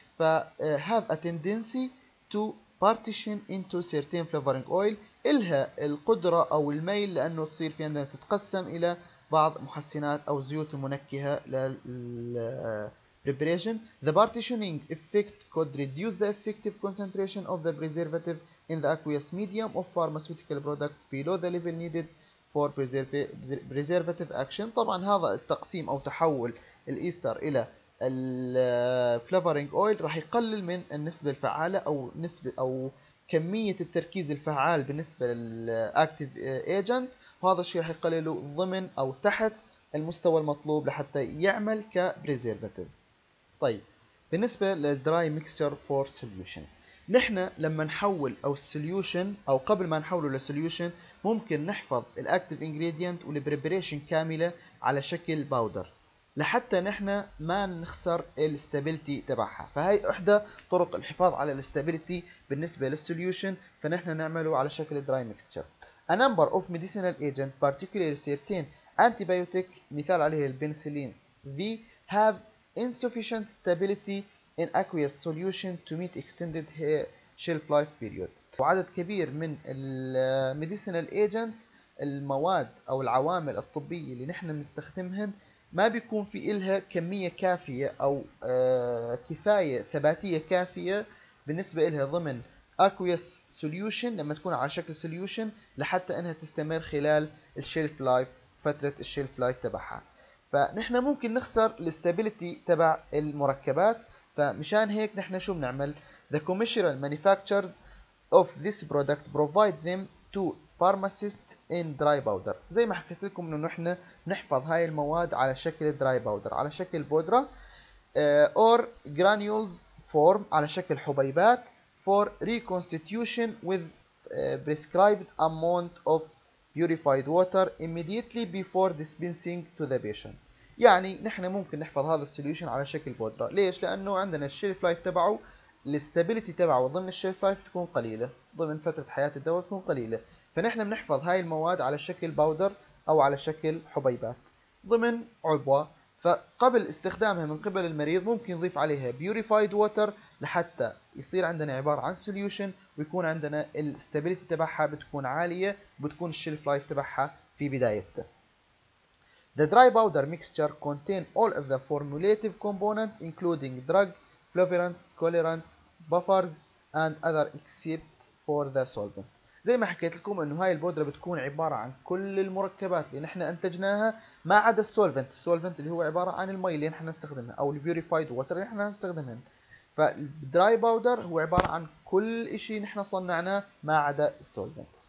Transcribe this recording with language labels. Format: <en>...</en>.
<en>ف have a tendency to partition into certain flavoring oil.</en> <ar>إلها القدرة أو الميل لأنه تصير في عندنا تتقسم إلى بعض محسنات أو زيوت منكهة لل preparation.</ar> <en>The partitioning effect could reduce the effective concentration of the preservative in the aqueous medium of pharmaceutical product below the level needed for preservative action.</en> <ar>طبعا هذا التقسيم أو تحول الإيستر إلى الفلافرينج أويل راح يقلل من النسبة الفعالة أو نسبة أو كمية التركيز الفعال بالنسبة للأكتيف إيجنت، وهذا الشيء راح يقلله ضمن أو تحت المستوى المطلوب لحتى يعمل كبريزيرفاتيف. طيب بالنسبة للدراي ميكستشر فور سوليوشن، نحن لما نحول أو السوليوشن أو قبل ما نحوله لسوليوشن ممكن نحفظ الأكتيف إنجريدينت والبريبريشن كاملة على شكل باودر لحتى نحن ما نخسر الاستابيليتي تبعها. فهي احدى طرق الحفاظ على الاستابيليتي بالنسبه للسوليوشن، فنحن نعمله على شكل دراي ميكستشر.</ar> <en>A number of medicinal agent particularly certain antibiotic</en> <ar>مثال عليه البنسلين V</ar> <en>have insufficient stability in aqueous solution to meet extended shelf life period.</en> <ar>وعدد كبير من الميديسينال ايجنت المواد او العوامل الطبيه اللي نحن بنستخدمهن ما بيكون في إلها كمية كافية أو كفاية ثباتية كافية بالنسبة إلها ضمن aqueous solution لما تكون على شكل solution لحتى أنها تستمر خلال الشيلف لايف، فترة الشيلف لايف تبعها. فنحن ممكن نخسر الاستابيليتي تبع المركبات، فمشان هيك نحن شو بنعمل؟</ar> <en>The commercial manufacturers of this product provide them to pharmacist in dry powder.</en> <ar>زي ما حكيت لكم انه نحن نحفظ هاي المواد على شكل dry powder، على شكل بودرة،</ar> <en>or granules form</en> <ar>على شكل حبيبات</ar> <en>for reconstitution with prescribed amount of purified water immediately before dispensing to the patient.</en> <ar>يعني نحن ممكن نحفظ هذا السوليوشن على شكل بودرة، ليش؟ لانه عندنا الشيلف لايف تبعه الاستابيليتي تبعه ضمن الشيلف لايف تكون قليلة، ضمن فترة حياة الدواء تكون قليلة. فنحن بنحفظ هاي المواد على شكل باودر او على شكل حبيبات ضمن عبوة، فقبل استخدامها من قبل المريض ممكن نضيف عليها purified water لحتى يصير عندنا عبارة عن solution ويكون عندنا الاستابيليتي تبعها بتكون عالية وبتكون الشيلف لايف تبعها في بدايته.</ar> <en>The dry powder mixture contain all of the formulative component including drug, flavorant, colorant, buffers and other except for the solvent.</en> <ar>زي ما حكيت لكم انه هاي البودره بتكون عباره عن كل المركبات اللي نحن انتجناها ما عدا السولفنت، السولفنت اللي هو عباره عن المي اللي نحن نستخدمها او البيوريفايد ووتر اللي نحن نستخدمها. فالدراي باودر هو عباره عن كل شيء نحن صنعناه ما عدا السولفنت.</ar>